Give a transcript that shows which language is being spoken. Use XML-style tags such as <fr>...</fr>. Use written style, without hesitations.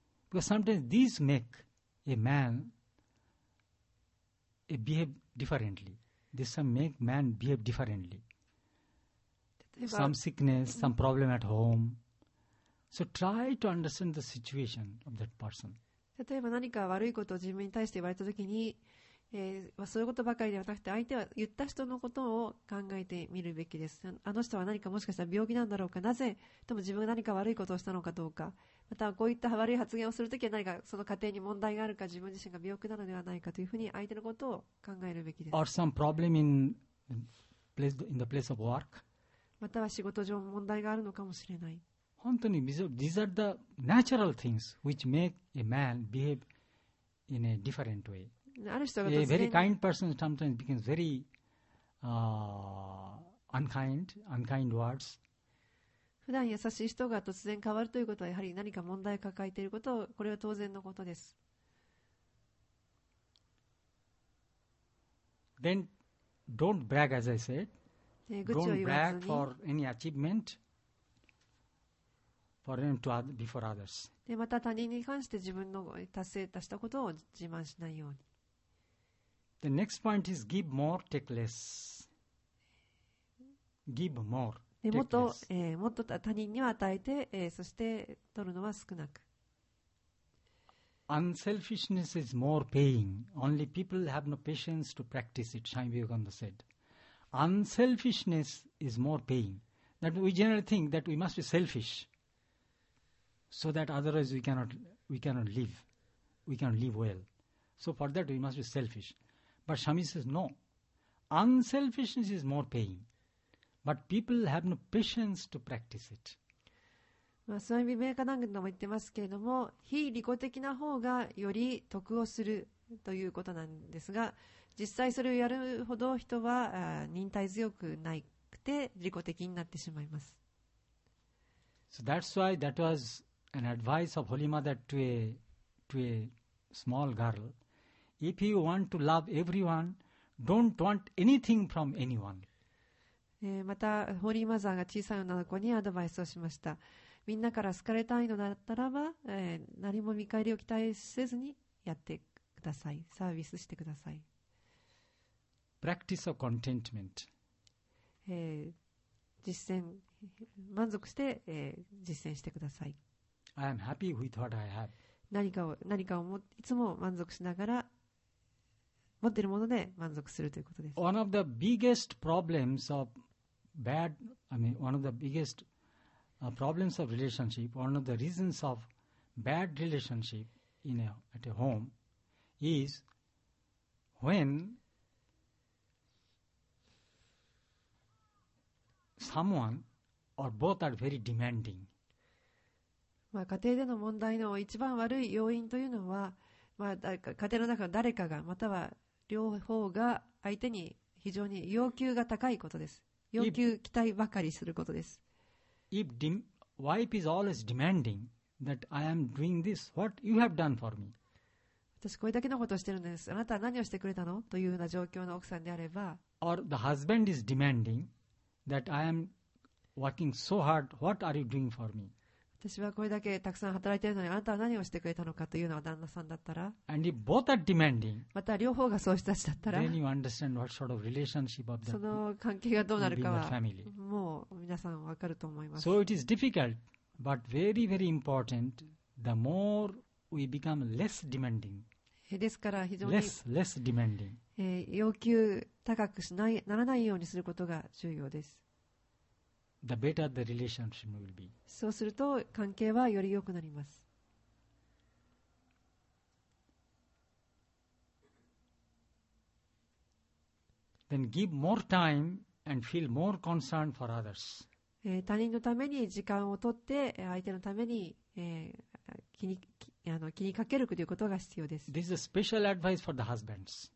<en>Because sometimes these make a man behave differently. This make man behave differently. Some sickness, some problem at home. So try to understand the situation of that person.</en> <ja>例えば何か悪いことを自分に対して言われたときにそういうことばかりではなくて、相手は言った人のことを考えてみるべきです。あの人は何かもしかしたら病気なんだろうか、なぜとも自分が何か悪いことをしたのかどうか、またこういった悪い発言をするときは何かその家庭に問題があるか、自分自身が病気なのではないかというふうに相手のことを考えるべきです。</ja> <en>Or some problem in the place of work.</en> <ja>または仕事上問題があるのかもしれない。本当に</ja> <en>These are the natural things which make a man behave in a different way.</en> <ja>ある人が</ja> <en>A very kind person sometimes becomes very unkind words.</en> <ja>普段優しい人が突然変わるということは、やはり何か問題を抱えていることを、これは当然のことです。</ja> <en>Then don't brag, as I said. Don't brag for any achievement. Before others.</en> <ja>でまた他人に関して自分の達成達したことを自慢しないように。</ja> <en>The next point is give more, take less. Give more, take less.</en> <ja>もっと、もっと他人には与えて、そして取るのは少なく。</ja> <en>Unselfishness is more paying. Only people have no patience to practice it, Swami Vivekananda said. Unselfishness is more paying. That we generally think that we must be selfish. So that otherwise we cannot live well. So for that we must be selfish. But Swami says no. Unselfishness is more paying. But people have no patience to practice it.</en> <ja>Swami Vivekananda も言ってますけれども、非利己的な方がより得をするということなんですが、実際それをやるほど人は忍耐強くなくて利己的になってしまいます。</ja> <en>So that's why that was. An advice of Holy Mother to a small girl. If you want to love everyone, don't want anything from anyone.</en> <ja>また、ホーリーマザーが小さい女の子にアドバイスをしました。みんなから好かれたいのだったらば、何も見返りを期待せずにやってください。サービスしてください。</ja> <en>Practice of contentment.</en> <ja>実践、満足して、実践してください。</ja> <en>I am happy with what I have.</en> <ja>何かをいつも満足しながら持っているもので満足するということです。</ja> <en>One of the biggest problems of bad, I mean, one of the biggest problems of relationship, one of the reasons of bad relationship at a home is when someone or both are very demanding.</en> <ja>まあ、家庭での問題の一番悪い要因というのは、まあ、家庭の中の誰かがまたは両方が相手に非常に要求が高いことです。要求期待ばかりすることです。</ja> <en>If wife is always demanding that I am doing this, what you have done for me?</en> <ja>私これだけのことをしてるんです、あなたは何をしてくれたのというような状況の奥さんであれば、</ja> <en>Or the husband is demanding that I am working so hard, what are you doing for me?</en> <ja>私はこれだけたくさん働いているのに、あなたは何をしてくれたのかというのは旦那さんだったら、</ja> <en>And if both are demanding,</en> <ja>また両方がそうしたちだったら、</ja> <en>Then you understand what sort of relationship of the,</en> <ja>その関係がどうなるかはもう皆さん分かると思います。</ja> <en>So it is difficult, but very, very important. The more we become less demanding,</en> <ja>ですから非常に</ja> <en>less demanding,</en> <ja>要求高くしないならないようにすることが重要です。</ja> <en>The better the relationship will be.</en> <ja>そうすると関係はより良くなります。</ja> <en>Then give more time and feel more concern for others.</en> <ja>他人のために時間を取って相手のために、気にかけるということが必要です。</ja> <en>This is a special advice for the husbands.</en>